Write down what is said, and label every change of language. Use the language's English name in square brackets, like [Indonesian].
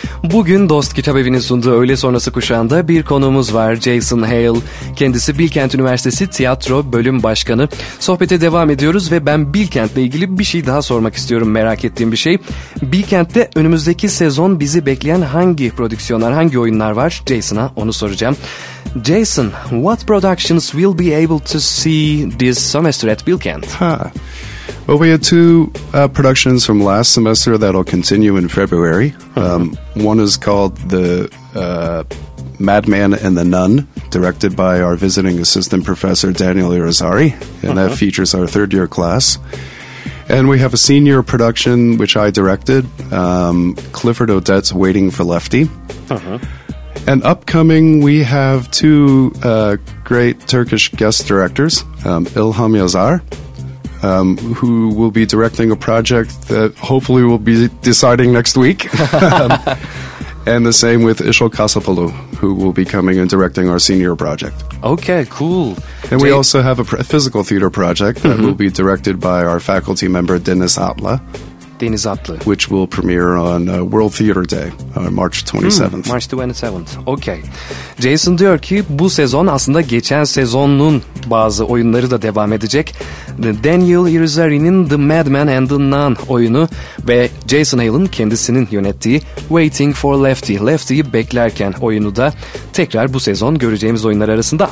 [Turkish] Bugün Dost Kitap Evi'nin sunduğu öğle sonrası kuşağında bir konuğumuz var, Jason Hale. Kendisi Bilkent Üniversitesi Tiyatro Bölüm Başkanı. Sohbete devam ediyoruz ve ben Bilkent'le ilgili bir şey daha sormak istiyorum, merak ettiğim bir şey. Bilkent'te önümüzdeki sezon bizi bekleyen hangi prodüksiyonlar, hangi oyunlar var? Jason'a onu soracağım. [English] Jason, what productions will be able to see this semester at Bilkent? Well, we had two productions from last semester that'll continue in February. One is called The Madman and the Nun, directed by our visiting assistant professor, Daniel Irizarry, and that features our third year class. And we have a senior production, which I directed, Clifford Odette's Waiting for Lefty. And upcoming, we have two great Turkish guest directors, İlham Yazar, who will be directing a project that hopefully we'll be deciding next week. And the same with Işıl Kasapalu, who will be coming and directing our senior project. Okay, cool. And we also have a physical theater project that will be directed by our faculty member, Deniz Atla. Deniz Atla. Which will premiere on World Theater Day, March 27th. March 27th, okay. [Turkish] Jason diyor ki bu sezon aslında geçen sezonun bazı oyunları da devam edecek. Daniel Irizarry'nin The Madman and the Nun oyunu ve Jason Hale'ın kendisinin yönettiği Waiting for Lefty, Lefty'yi beklerken oyunu da tekrar bu sezon göreceğimiz oyunlar arasında.